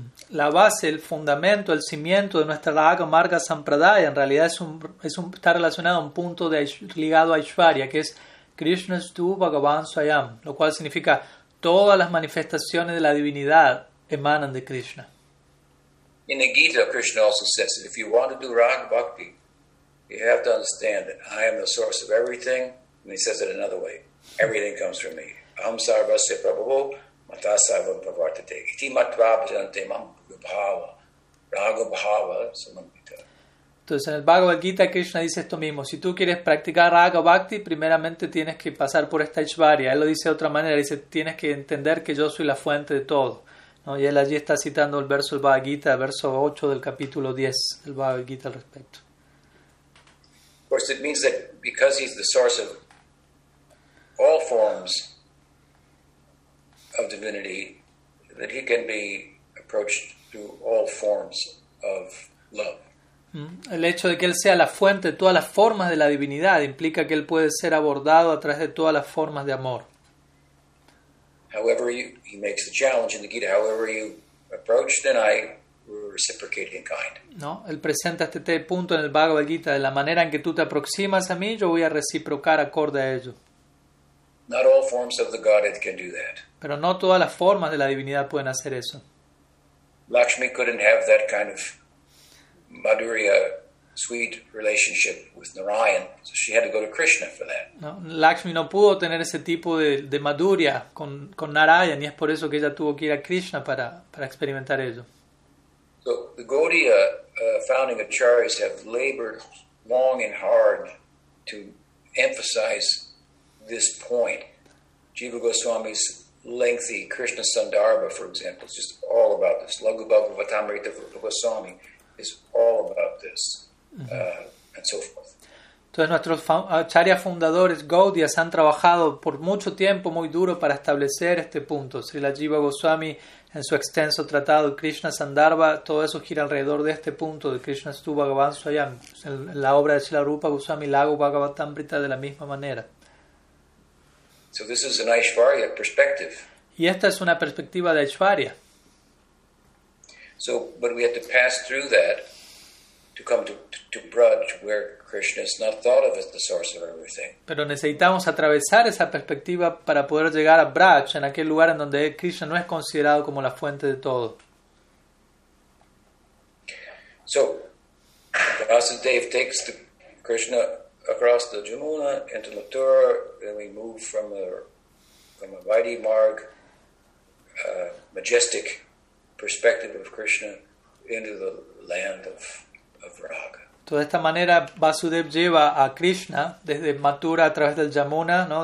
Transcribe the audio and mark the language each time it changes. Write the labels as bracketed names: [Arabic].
[Spanish] La base, el fundamento, el cimiento de nuestra Raga Marga Sampradaya en realidad está relacionado a un punto ligado a Aishvarya, que es Krishna Stu Bhagavan Swayam, lo cual significa todas las manifestaciones de la divinidad emanan de Krishna. [English] In the Gita, Krishna also says that if you want to do Raga Bhakti, you have to understand that I am the source of everything. And he says it another way. Everything comes from me. [Sanskrit] Aham sarvasya prabhu mata sarva pravartate. Iti matva bhajante mam bhava. Raga bhava samanvita. [Spanish] Entonces, en el Bhagavad Gita, Krishna dice esto mismo. Si tú quieres practicar Raga Bhakti, primeramente tienes que pasar por esta Aishvarya. Él lo dice de otra manera. Dice, tienes que entender que yo soy la fuente de todo. ¿No? Y él allí está citando el verso del Bhagavad Gita, verso 8 del capítulo 10 del Bhagavad Gita al respecto. [English] Of course, it means that because he's the source of all forms of divinity, that he can be approached through all forms of love. [Spanish] El hecho de que él sea la fuente de todas las formas de la divinidad implica que él puede ser abordado a través de todas las formas de amor. [English] However, he makes the challenge in the Gita. However, you approach, then I reciprocate in kind. [Spanish] No, él presenta este punto en el Bhagavad Gita de la manera en que tú te aproximas a mí, yo voy a reciprocar acorde a ello. [English] Not all forms of the Godhead can do that. [Spanish] Pero no todas las formas de la divinidad pueden hacer eso. [English] Lakshmi couldn't have that kind of Madhurya, sweet relationship with Narayan, so she had to go to Krishna for that. [Spanish] No, Lakshmi no pudo tener ese tipo de madhurya con Narayan, y es por eso que ella tuvo que ir a Krishna para experimentar ello. [English] So the Gaudiya founding acharyas have labored long and hard to emphasize this point. Jiva Goswami's lengthy Krishna Sandarbha, for example, is just all about this. Lagu Bhagavatamrita Goswami is all about this. [Spanish] Entonces nuestros acharyas fundadores Gaudias han trabajado por mucho tiempo muy duro para establecer este punto. Srila Jiva Goswami en su extenso tratado Krishna Sandarbha, todo eso gira alrededor de este punto de Krishna Stu Bhagavan Swayam, en la obra de Srila Rupa Goswami Lago Bhagavatamrita, de la misma manera. [English] So this is an Aishvarya perspective. [Spanish] Y esta es una perspectiva de Aishvarya. [English] So, but we have to pass through that to come to Braj, where Krishna is not thought of as the source of everything. [Spanish] Pero necesitamos atravesar esa perspectiva para poder llegar a Braj, en aquel lugar en donde Krishna no es considerado como la fuente de todo. [English] So, Vasudev takes Krishna across the Jamuna into Mathura, then we move from a Vaidhi Marg, majestic perspective of Krishna, into the land of [Spanish] Entonces, de esta manera, Vasudev lleva a Krishna desde Mathura a través del Yamuna, ¿no?